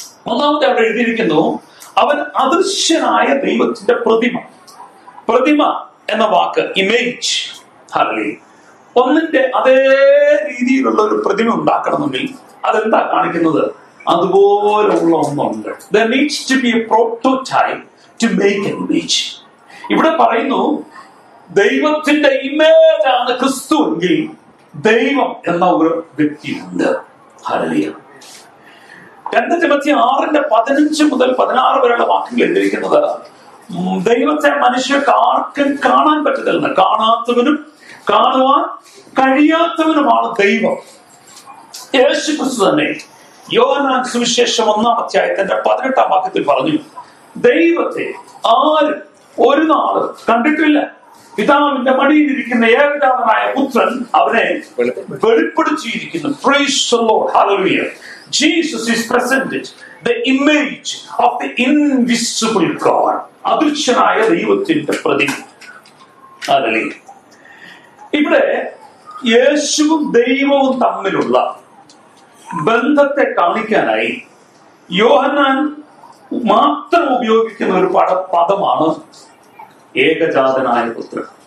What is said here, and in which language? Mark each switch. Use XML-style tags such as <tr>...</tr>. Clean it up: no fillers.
<ml>ഒന്നാമത്തെ അവിടെ എഴുതിയിരിക്കുന്നു, അവൻ അദൃശ്യനായ ദൈവത്തിന്റെ പ്രതിമ. പ്രതിമ എന്ന വാക്ക് ഇമേജ്. Hallelujah. ഒന്നിന്റെ അതേ രീതിയിലുള്ള ഒരു പ്രതിമ ഉണ്ടാക്കണമെങ്കിൽ അതെന്താ കാണിക്കുന്നത്? അതുപോലുള്ള ഒന്നുണ്ട്.</ml> <en>There needs to be a prototype to make an image.</en> <ml>ഇവിടെ പറയുന്നു ദൈവത്തിന്റെ ഇമേജ് ആണ് ക്രിസ്തു എങ്കിൽ ദൈവം എന്ന ഒരു വ്യക്തിയുണ്ട്. ഹല്ലേലൂയ. 2 Timothy 6:15-16 വരെയുള്ള വാക്യങ്ങൾ എഴുതിയിരിക്കുന്നത് ദൈവത്തെ മനുഷ്യർക്ക് ആർക്കും കാണാൻ പറ്റത്തില്ല, കാണാത്തവനും കാണുവാൻ കഴിയാത്തവനുമാണ് ദൈവം. യേശു ക്രിസ്തു തന്നെ യോഹന്നാൻ സുവിശേഷം 1:18 പറഞ്ഞു ദൈവത്തെ ആര് ഒരു നാള് കണ്ടിട്ടില്ല, പിതാവിന്റെ മടിയിൽ ഇരിക്കുന്ന ഏകദാവനായ പുത്രൻ അവനെ വെളിപ്പെടുത്തിയിരിക്കുന്നു.</ml> <en>Jesus is presented the image of the invisible God.</en> <ml>അദൃശ്യനായ ദൈവത്തിന്റെ പ്രതിമ. ഇവിടെ യേശുവും ദൈവവും തമ്മിലുള്ള ബന്ധത്തെ കാണിക്കാനായി യോഹന്നാൻ മാത്രം ഉപയോഗിക്കുന്ന ഒരു പദമാണ് ഏകജാതനായ പുത്രൻ.</ml>